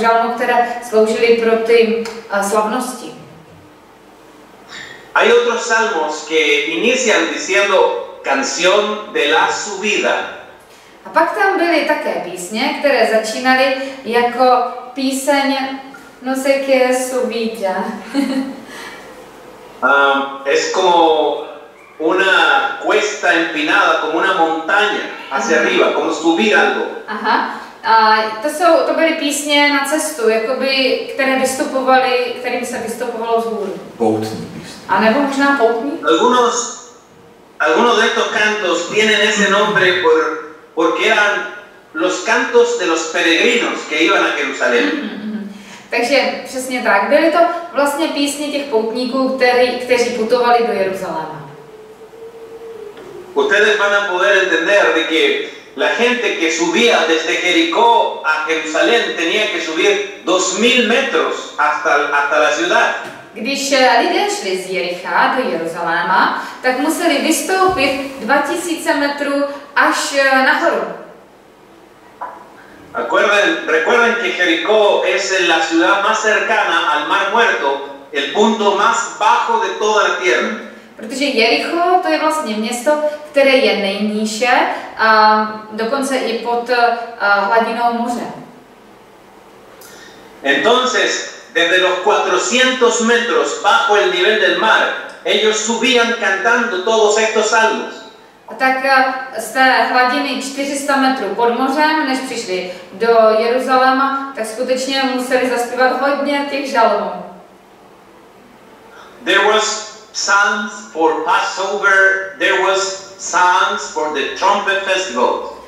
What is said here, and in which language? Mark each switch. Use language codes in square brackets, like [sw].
[cs] žalmu, které sloužily pro ty slavnosti. [es] Hay otros salmos que inician diciendo canción de la subida. [cs] A pak tam byly také písně, které začínaly jako píseň [es] no sé qué subida. es como una cuesta empinada, como una montaña hacia arriba, como subir algo. Aha. [cs] A to byly písně na cestu, jakoby, kterým se vystupovalo vzhůru. Poutní písně. A nebo možná poutní? [es] Algunos de estos cantos tienen ese nombre porque eran los cantos de los peregrinos que iban a Jerusalén. [cs] Takže přesně tak, byly to vlastně písně těch poutníků, kteří putovali do Jeruzaléma. [es] Ustedes van a poder entender de que la gente que subía desde Jericó a Jerusalén tenía que subir 2000 metros hasta la ciudad. [cs] Když lidé šli z Jericha do Jeruzaléma, tak museli vystoupit 2000 metrů až nahoru. [es] Recuerden que Jericó es la ciudad más cercana al Mar Muerto, el punto más bajo de toda la tierra. [cs] Protože Jericho, to je vlastně město, které je nejníže, a dokonce i pod hladinou moře. [es] Entonces, desde los 400 metros bajo el nivel del mar, ellos subían cantando todos estos salmos. [cs] A tak z té hladiny 400 metrů pod mořem, než přišli do Jeruzaléma, tak skutečně museli zaspívat hodně těch žalmů. [en] There was psalms for Passover, there was psalms for the trumpet festival.